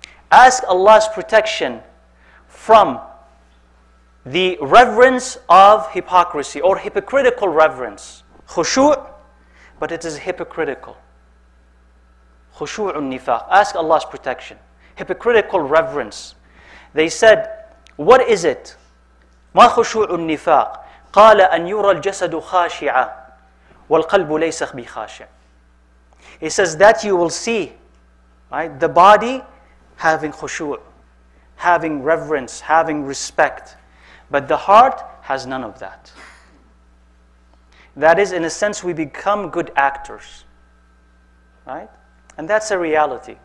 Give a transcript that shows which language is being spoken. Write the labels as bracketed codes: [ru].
[en] Ask Allah's protection from the reverence of hypocrisy or hypocritical reverence. Khushu', but it is hypocritical. Khushu'un nifaq. Ask Allah's protection. Hypocritical reverence. They said, what is it? [ar] ما خشوع النفاق قال أن يرى الجسد خاشعا والقلب ليس بخاشع. [en] He says that you will see, right, the body having خشوع, having reverence, having respect, but the heart has none of that. That is, in a sense, we become good actors, right? And that's a reality.